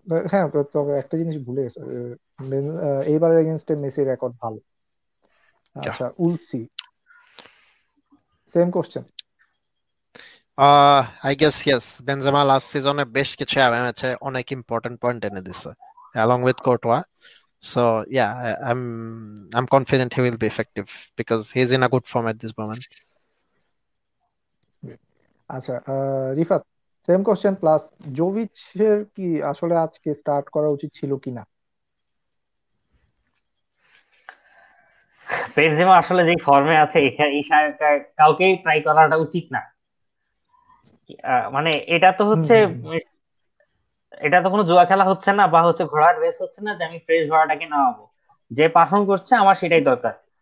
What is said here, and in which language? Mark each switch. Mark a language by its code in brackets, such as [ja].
[bn] হ্যাঁ তো তো একটা জিনিস ভুলে গেছি, এইবার এগেইনস্টে মেসি রেকর্ড ভালো. আচ্ছা উলসি same question. [en] I guess yes, Benzema last season [bn] এ বেশ কিছু আছে, অনেক ইম্পর্টেন্ট পয়েন্ট এনে দিছে [en] along with Courtois. So yeah, I'm confident he will be effective because he's in a good form at this moment. [bn] আচ্ছা Rifat same question plus Jovic এর কি আসলে আজকে স্টার্ট করা উচিত ছিল কিনা? বেনজেমা আসলে যে ফর্মে আছে কাউকেই ট্রাই করাটা উচিত না, মানে এটা তো হচ্ছে এটা তো কোনো জুয়া খেলা হচ্ছে না বা হচ্ছে ঘোড়ার রেস হচ্ছে না যে আমি ফ্রেশ ঘোড়াটাকে নামাবো, যে পারফর্ম করছে আমার সেটাই দরকার.